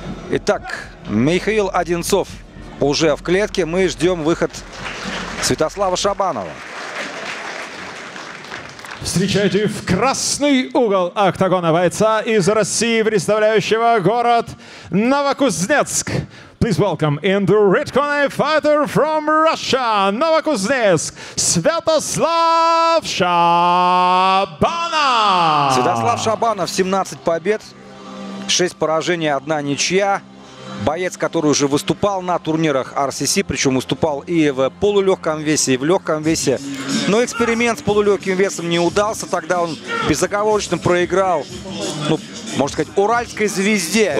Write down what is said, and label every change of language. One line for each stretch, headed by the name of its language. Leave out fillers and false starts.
Russian: Итак, Михаил Одинцов уже в клетке. Мы ждем выход Святослава Шабанова. Встречайте в красный угол октагона бойца из России, представляющего город Новокузнецк.
English: Please welcome in the red corner fighter from Russia, Новокузнецк, Святослав Шабанов.
Russian: Святослав Шабанов, 17 побед, 6 поражений, 1 ничья. Боец, который уже выступал на турнирах RCC, причем выступал и в полулегком весе, и в легком весе. Но эксперимент с полулегким весом не удался. Тогда он безоговорочно проиграл, ну, можно сказать, уральской звезде.